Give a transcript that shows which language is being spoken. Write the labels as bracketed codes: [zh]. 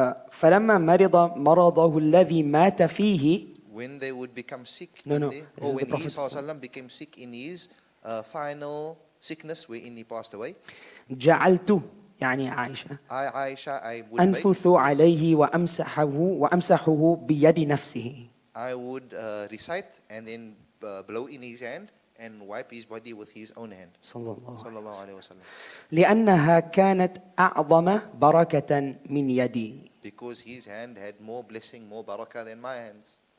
[ar] فلما مرض مرضه الذي مات فيه [en] when they would become sick when he صلى الله عليه وسلم became sick in his final sickness wherein he passed away [ar] جعلت يعني عائشة أنفث عليه وأمسحه بيد نفسه. [en] I would recite and then blow in his hand and wipe his body with his own hand. [ar] صلى الله عليه وسلم. لأنها كانت أعظم بركة من يدي. [en] Because his hand had more blessing, more baraka than my hands.